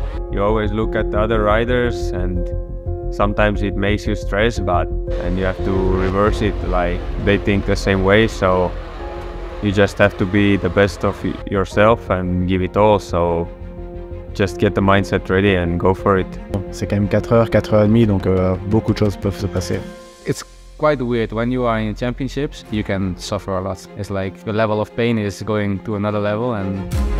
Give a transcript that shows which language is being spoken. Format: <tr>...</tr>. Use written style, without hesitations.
<en>You always look at the other riders, and sometimes it makes you stress, but and you have to reverse it, like they think the same way, so you just have to be the best of yourself and give it all, so just get the mindset ready and go for it.</en> <fr>C'est quand même 4h, 4h30, donc beaucoup de choses peuvent se passer.</fr> <en>It's quite weird, when you are in championships, you can suffer a lot. It's like the level of pain is going to another level and...</en>